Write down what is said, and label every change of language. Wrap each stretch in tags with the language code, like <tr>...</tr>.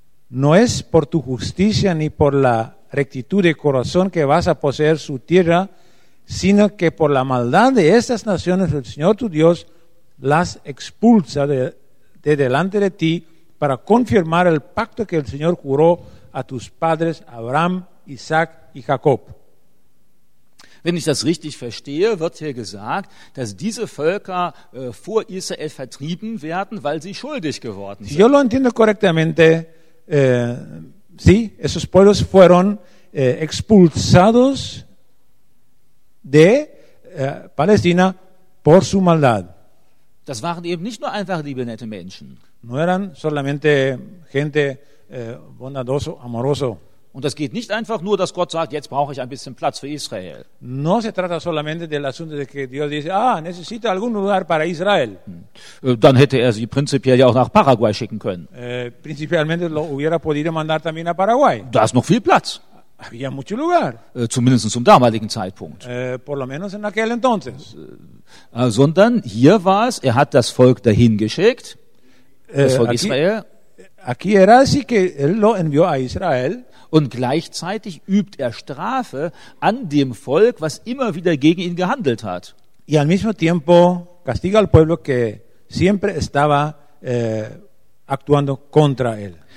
<es>No es por tu justicia ni por la rectitud de corazón que vas a poseer su tierra, sino que por la maldad de estas naciones el Señor tu Dios las expulsa de delante de ti para confirmar el pacto que el Señor juró a tus padres Abraham, Isaac y Jacob.</es> <de>Wenn ich das richtig verstehe, wird hier gesagt, dass diese Völker vor Israel vertrieben werden, weil sie schuldig geworden sind.</de> <es>Yo lo entiendo correctamente. Sí, esos pueblos fueron expulsados de Palestina por su maldad.</es> <de>Das waren eben nicht nur einfach liebe, nette Menschen.</de> <es>No eran solamente gente bondadoso, amoroso.</es> <de>Und das geht nicht einfach nur, dass Gott sagt, jetzt brauche ich ein bisschen Platz für Israel.</de> <es>No se trata solamente del asunto de que Dios dice, necesito algún lugar para Israel.</es> <de>Dann hätte er sie prinzipiell ja auch nach Paraguay schicken können.</de> <es>Principalmente lo hubiera podido mandar también a Paraguay.</es> <de>Da ist noch viel Platz.</de> <es>Había mucho lugar.</es> <de>Zumindest zum damaligen Zeitpunkt.</de> <es>Por lo menos en aquel entonces.</es> <de>Sondern hier war es, er hat das Volk dahin geschickt, das Volk Israel.</de> <es>Aquí era así que él lo envió a Israel.</es> <de>Und gleichzeitig übt er Strafe an dem Volk, was immer wieder gegen ihn gehandelt hat.</de> <es>Y al mismo tiempo castiga al pueblo que siempre estaba actuando contra él.</es>